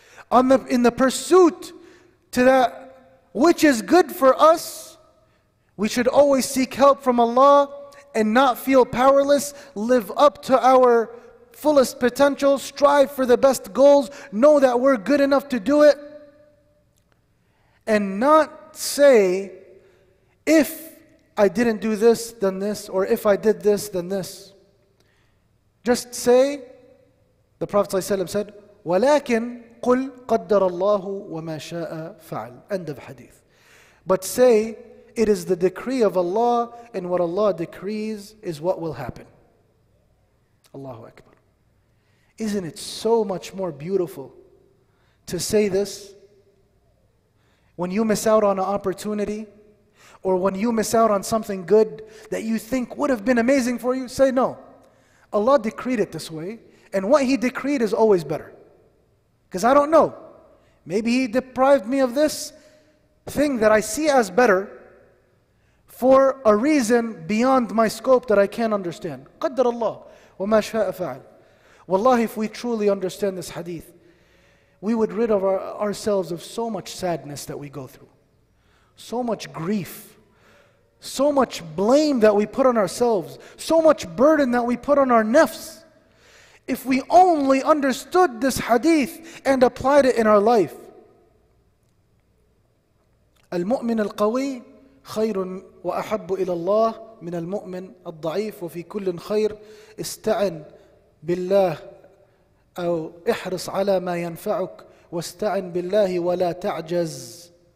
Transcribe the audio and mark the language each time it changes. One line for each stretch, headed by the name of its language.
English: In the pursuit to that which is good for us, we should always seek help from Allah and not feel powerless, live up to our fullest potential, strive for the best goals, know that we're good enough to do it, and not say, if I didn't do this, then this, or if I did this, then this. Just say, the Prophet ﷺ said,
Arabic: وَلَكِنْ قُلْ قَدَّرَ اللَّهُ وَمَا شَاءَ فَعَلْ.
English: End of hadith. But say, it is the decree of Allah, and what Allah decrees is what will happen. Allahu Akbar. Isn't it so much more beautiful to say this when you miss out on an opportunity or when you miss out on something good that you think would have been amazing for you? Say no. Allah decreed it this way, and what He decreed is always better. Because I don't know. Maybe He deprived me of this thing that I see as better for a reason beyond my scope that I can't understand.
Arabic: قدر الله وما شاء فعل.
English: Wallahi, if we truly understand this hadith, we would rid of ourselves of so much sadness that we go through, so much grief, so much blame that we put on ourselves, so much burden that we put on our nafs, if we only understood this hadith and applied it in our life.
Arabic: المؤمن القوي خير وأحب إلى الله من المؤمن الضعيف وفي كل خير استعن بالله أو احرص على ما ينفعك واستعن بالله ولا تعجز